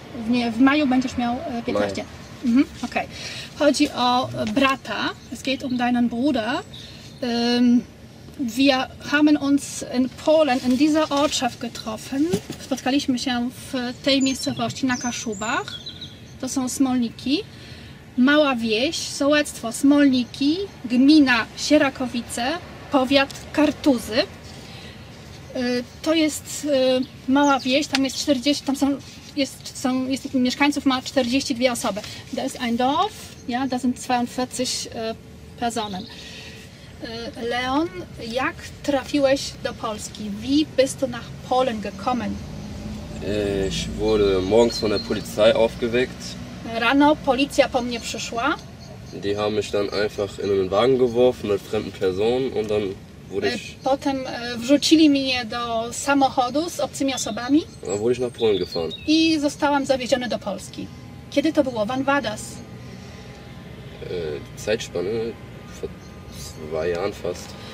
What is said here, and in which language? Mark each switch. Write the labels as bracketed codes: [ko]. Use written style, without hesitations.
[pl] Nie, w maju będziesz miał 15. Okay. Chodzi o brata. [de] Es geht um deinen Bruder. Wir haben uns in Polen in dieser Ortschaft getroffen. [pl] Spotkaliśmy się w tej miejscowości na Kaszubach. To są Smolniki. Mała wieś, sołectwo Smolniki, gmina Sierakowice, powiat Kartuzy. To jest mała wieś, tam jest 40, tam są, jest mieszkańców, ma 42 osoby. [de] Das ist ein Dorf, ja, da sind 42 Personen. [pl] Leon, jak trafiłeś do Polski? [de] Wie bist du nach Polen gekommen? Ich wurde morgens von der Polizei aufgeweckt. [pl] Rano policja po mnie przyszła. [de] Die haben mich dann einfach in einen Wagen geworfen mit fremden Personen und dann wurde ich... [pl] Potem wrzucili mnie do samochodu z obcymi osobami. [de] A wurde ich nach Polen gefahren. [pl] I zostałam zawieziony do Polski. Kiedy to było? [de] Wann war das? Zeitspanne vor 2 Jahren fast.